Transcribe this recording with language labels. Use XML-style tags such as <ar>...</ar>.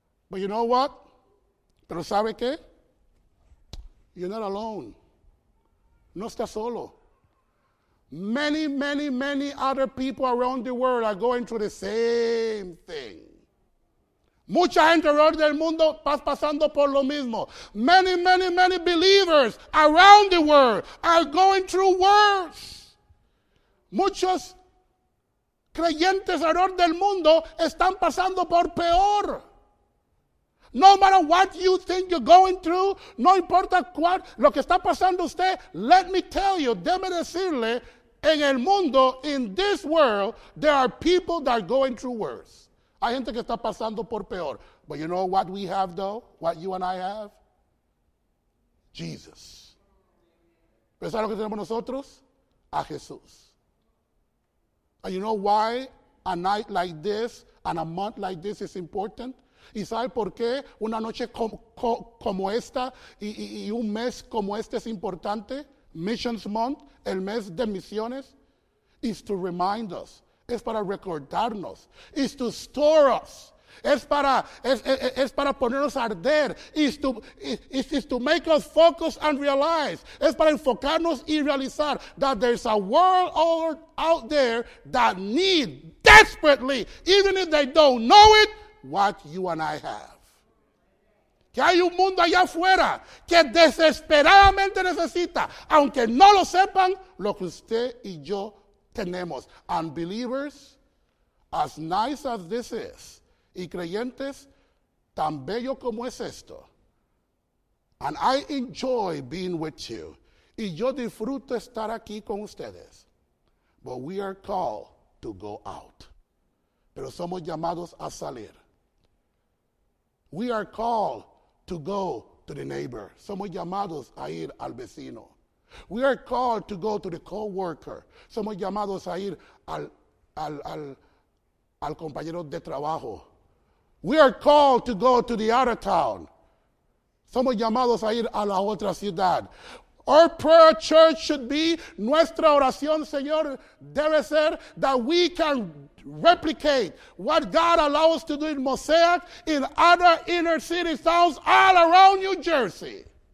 <en>But you know what?</en> <es>Pero ¿sabe qué?</es> <en>You're not alone.</en> <es>No está solo.</es> <en>Many, many, many other people around the world are going through the same thing.</en> <es>Mucha gente alrededor del mundo está pasando por lo mismo.</es> <en>Many, many, many believers around the world are going through worse.</en> <es>Muchos creyentes alrededor del mundo están pasando por peor.</es> <en>No matter what you think you're going through,</en> <es>no importa cuál, lo que está pasando usted,</es> <en>let me tell you,</en> <es>déme decirle, en el mundo,</es> <en>in this world, there are people that are going through worse.</en> <es>Hay gente que está pasando por peor.</es> <en>But you know what we have, though? What you and I have? Jesus.</en> <es>¿Pero sabes lo que tenemos nosotros? A Jesús.</es> <en>And you know why a night like this and a month like this is important?</en> <es>¿Y sabes por qué una noche como esta y un mes como este es importante?</es> <en>Missions Month,</en> <es>el mes de misiones,</es> <en>is to remind us.</en> <es>Es para recordarnos.</es> <en>Is to store us.</en> <es>Es para ponernos a arder.</es> <en>Is to make us focus and realize.</en> <es>Es para enfocarnos y realizar</es> <en>that there's a world out there that need desperately, even if they don't know it, what you and I have.</en> <es>Que hay un mundo allá afuera que desesperadamente necesita, aunque no lo sepan, lo que usted y yo tenemos.</es> <en>And believers, as nice as this is,</en> <es>y creyentes, tan bello como es esto,</es> <en>and I enjoy being with you,</en> <es>y yo disfruto estar aquí con ustedes,</es> <en>but we are called to go out.</en> <es>Pero somos llamados a salir.</es> <en>We are called to go to the neighbor.</en> <es>Somos llamados a ir al vecino.</es> <en>We are called to go to the co-worker.</en> <es>Somos llamados a ir al compañero de trabajo.</es> <en>We are called to go to the other town.</en> <es>Somos llamados a ir a la otra ciudad.</es> <en>Our prayer, church, should be,</en> <es>nuestra oración, Señor, debe ser</es> <en>that we can replicate what God allows us to do in Mosaic in other inner city towns all around New Jersey.</en>